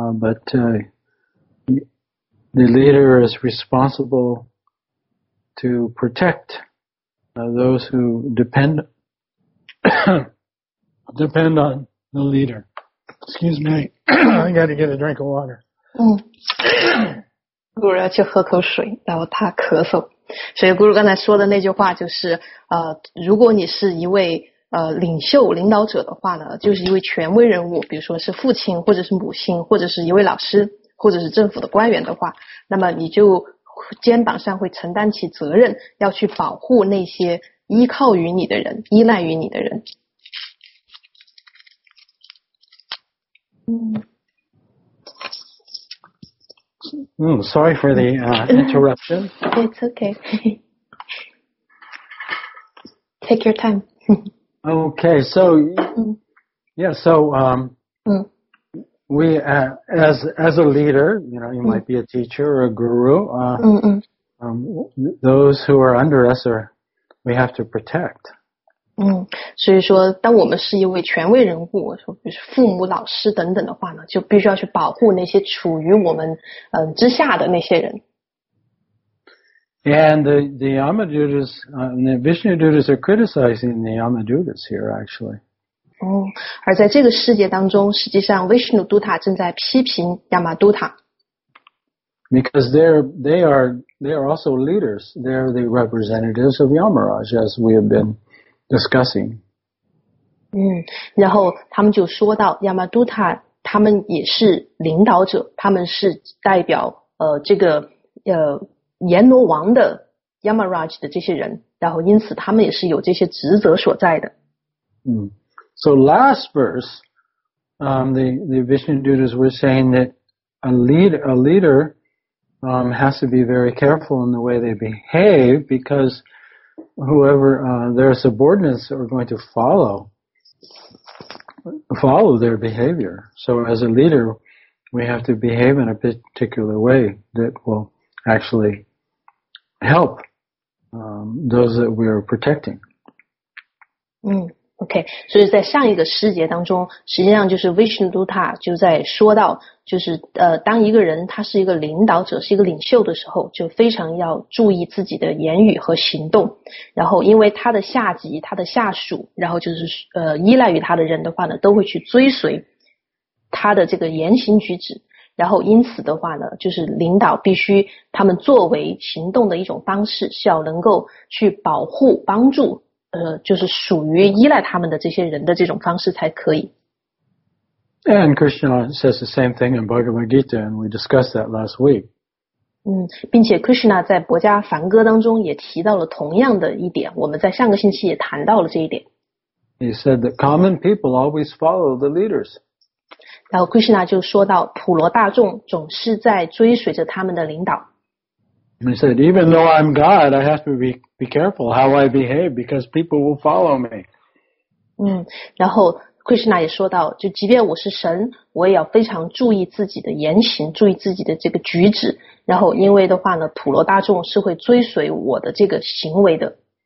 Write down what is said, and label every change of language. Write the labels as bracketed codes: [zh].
[en] The leader is responsible to protect those who depend on the leader. Excuse me. I got to get a drink of water. [zh] 古人要去喝口水，然后他咳嗽。所以古人刚才说的那句话就是，如果你是一位领袖领导者的话呢，就是一位权威人物，比如说是父亲或者是母亲，或者是一位老师，或者是政府的官员的话，那么你就肩膀上会承担起责任，要去保护那些依靠于你的人，依赖于你的人。 [en] Sorry for the interruption. It's okay. Take your time. Okay, so yeah, so we as a leader, you know, you might be a teacher or a guru. Those who are under us, we have to protect. [zh] 所以说当我们是一位权威人物，比如说父母老师等等的话呢，就必须要去保护那些处于我们之下的那些人。 [en] And the Yama Dutas, the Vishnu Dutas are criticizing the Yama Dutas here actually. [zh] 而在这个世界当中，实际上 Vishnu Dutta 正在批评 Yama Dutta。 [en] Because they are also leaders. They're the representatives of Yamaraj as we have been discussing. [zh] 然后他们就说到亚玛都塔他们也是领导者，他们是代表这个阎罗王的 Yamaraj 的这些人，然后因此他们也是有这些职责所在的。 [en] So last verse, the Vishnu Dutas were saying that a leader has to be very careful in the way they behave because whoever their subordinates are going to follow their behavior. So as a leader, we have to behave in a particular way that will actually help those that we are protecting. Mm, [zh] OK， 所以在上一个诗节当中，实际上就是 Vishnudutta 就在说到，就是当一个人他是一个领导者，是一个领袖的时候，就非常要注意自己的言语和行动。然后因为他的下级、他的下属，然后就是依赖于他的人的话呢，都会去追随他的这个言行举止。然后因此的话呢，就是领导必须他们作为行动的一种方式，是要能够去保护、帮助就是属于依赖他们的这些人的这种方式才可以。 [en] And Krishna says the same thing in Bhagavad Gita, and we discussed that last week. [zh] 并且 Krishna 在博迦梵歌当中也提到了同样的一点，我们在上个星期也谈到了这一点。 [en] He said that common people always follow the leaders. [zh] 然后 Krishna 就说到普罗大众总是在追随着他们的领导。 [en] He said, even though I'm God, I have to be careful how I behave because people will follow me. [zh] 然后 Krishna 也说到，就即便我是神，我也要非常注意自己的言行，注意自己的这个举止。然后因为的话呢，普罗大众是会追随我的这个行为的。